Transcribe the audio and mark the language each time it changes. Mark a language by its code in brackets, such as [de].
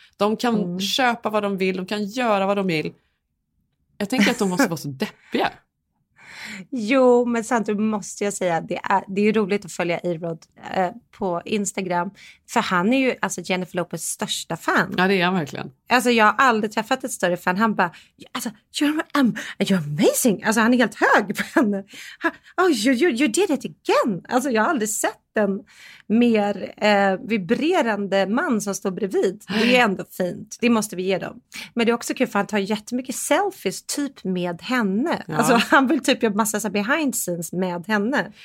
[sv] De kan köpa vad de vill, de kan göra vad de vill. Jag tänker att de måste vara så deppiga. Jo, men samtidigt måste jag säga att det är roligt att följa A-Rod på Instagram. För han är ju alltså Jennifer Lopez största fan. Ja, det är han verkligen. Alltså jag har aldrig träffat ett större fan. Han bara, alltså, [en] you're amazing. [sv] Alltså han är helt hög på henne. [en] Oh, you did it again. [sv] Alltså jag har aldrig sett en mer vibrerande man som står bredvid. Det är ändå fint. Det måste vi ge dem. Men det är också kul för han tar jättemycket selfies typ med henne. Ja. Alltså han vill typ göra massa så [en] behind scenes [sv] med henne.